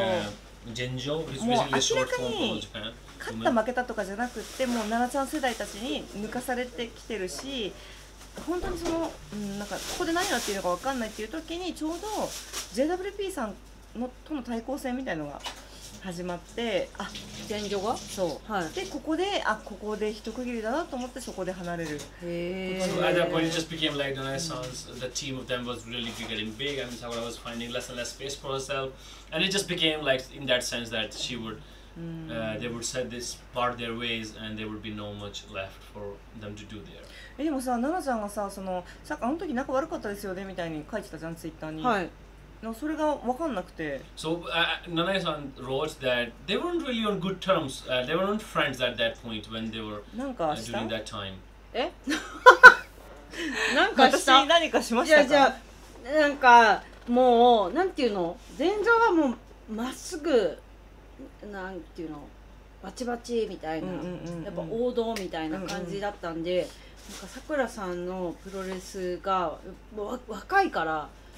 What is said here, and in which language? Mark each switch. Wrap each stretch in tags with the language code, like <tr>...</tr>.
<ja>もう明らかに勝った負けたとかじゃなくて、もう奈々ちゃん世代たちに抜かされてきてるし、本当にその、なんかここで何やってるのか分かんないっていう時に、ちょうど JWP さんのとの対抗戦みたいのが始まって、あ、現状がそう、はい、で、ここで、あ、ここで一区切りだなと思ってそこで離れる。へぇー。</ja> <en>So at that point it just became like the Renaissance, the team of them was really getting big, and Sakura was finding less and less space for herself, and it just became like in that sense that she would, they would set this part their ways, and there would be no much left for them to do there.</en> <ja>え、でもさ、奈々ちゃんがさ、その、さあの時仲悪かったですよね、みたいに書いてたじゃん、ツイッターに。はい。それが分かんなくて。</ja> <en>So, Nanae-san wrote that they weren't really on good terms. They weren't friends at that point when they were during that time.</en> <ja>え？なんかした？私何かしましたか？いやじゃあ、なんかもうなんていうの？前場はもうまっすぐなんていうの？バチバチみたいな、うんうんうんうん、やっぱ王道みたいな感じだったんで、うんうん、なんかさくらさんのプロレスが若いから。</ja>